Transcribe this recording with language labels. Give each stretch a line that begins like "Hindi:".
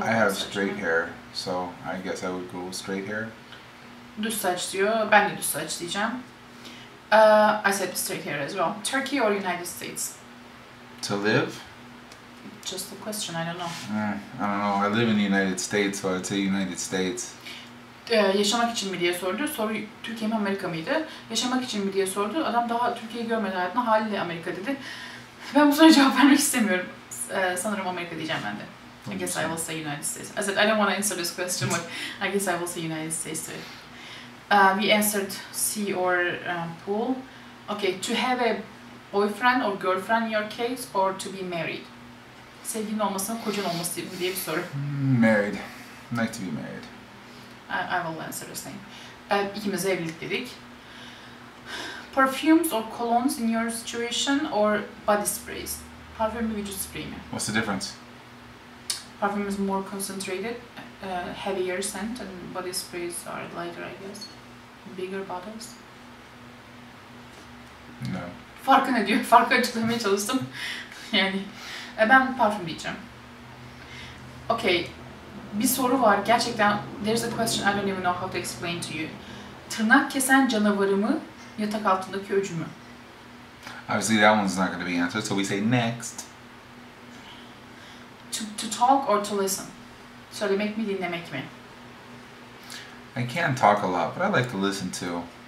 English: I have straight hair, so I guess I would go with straight hair.
Turkish: Düz saç diyor, ben de düz saç diyeceğim.
English: I said straight hair as well. Turkey or United States? To live? Just a question, I don't know. I don't know, I live in the United States, so I'd say United States.
Turkish: Yaşamak için mi diye sordu. Soru Türkiye mi Amerika mıydı? Yaşamak için mi diye sordu. Adam daha Türkiye'yi görmeden hayatında haliyle Amerika dedi. Ben bu soruya cevap vermek istemiyorum. Sanırım Amerika diyeceğim ben de.
English: I guess I will say United States. I said I don't want to answer this question, but I guess I will say United States too. We answered sea or pool. Okay, to have a boyfriend or girlfriend in your case or to be married?
Turkish: Sevgilin olmasın, kocan olması diye bir soru.
English: Married. I'd like to be married. I will answer the same.
Turkish: İkimiz evlilik dedik.
English: Perfumes or colognes in your situation or body sprays?
Turkish: Parfüm mü, vücut sprayı mı?
English: What's the difference? Parfüm is more concentrated, heavier scent and body sprays are lighter, I guess. Bigger bottles? No.
Turkish: Farkı ne diyor? Farkı açıklamaya çalıştım. Yani ben parfüm diyeceğim. Okay. Bir soru var. Gerçekten
English: there's a question I don't even know how to explain to you.
Turkish: Tırnak kesen canavarı mı, yatak altındaki öcü mü?
English: Obviously that one's not going to be answered, so we say next. To talk or to listen?
Turkish: Söylemek mi, dinlemek mi?
English: I can talk a lot, but I like to listen too.